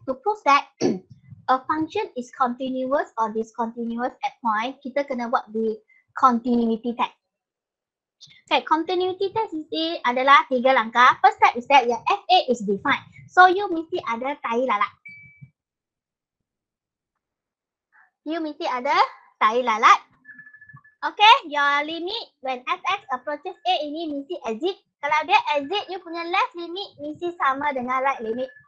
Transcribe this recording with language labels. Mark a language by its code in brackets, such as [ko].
[en] To prove that a function is continuous or discontinuous at point, [ms] kita kena buat [en] the continuity test. [ms] Okay, continuity test ini adalah tiga langkah. [en] First step is that your FA is defined. [ms] So you mesti ada tahi lalat. You mesti ada tahi lalat. Okay, [en] your limit when FX approaches A [ms] ini mesti exit. Kalau dia exit, you punya left limit mesti sama dengan right limit.